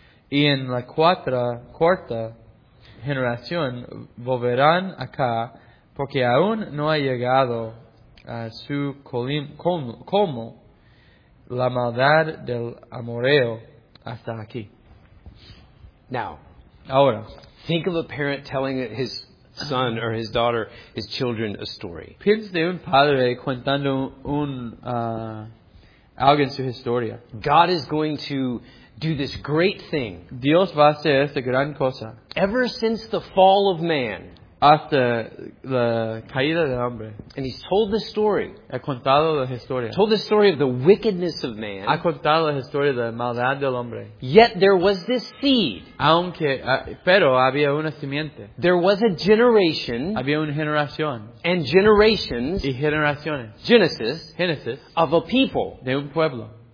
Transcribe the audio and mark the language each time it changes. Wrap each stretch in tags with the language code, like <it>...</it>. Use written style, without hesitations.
<es>Y en la cuarta generación volverán acá, porque aún no ha llegado a su colmo la maldad del amorreo hasta aquí.</es> <en>Now,</en> <es>ahora,</es> <en>think of a parent telling his son or his daughter, his children, a story.</en> <es>Piensa de un padre contando un alguien su historia.</es> <en>God is going to do this great thing.</en> <es>Dios va a hacer esta gran cosa.</es> <en>Ever since the fall of man.</en> <es>Hasta la caída del hombre.</es> <en>And he's told this story.</en> <es>Ha contado la historia.</es> <en>Told the story of the wickedness of man.</en> <es>Ha contado la historia de la maldad del hombre.</es> <en>Yet there was this seed.</en> <es>Aunque, pero había una simiente.</es> <en>There was a generation.</en> <es>Había una generación.</es> <en>And generations.</en> <es>Y generaciones.</es> <en>Genesis. Of a people.</en> <es>De un pueblo.</es>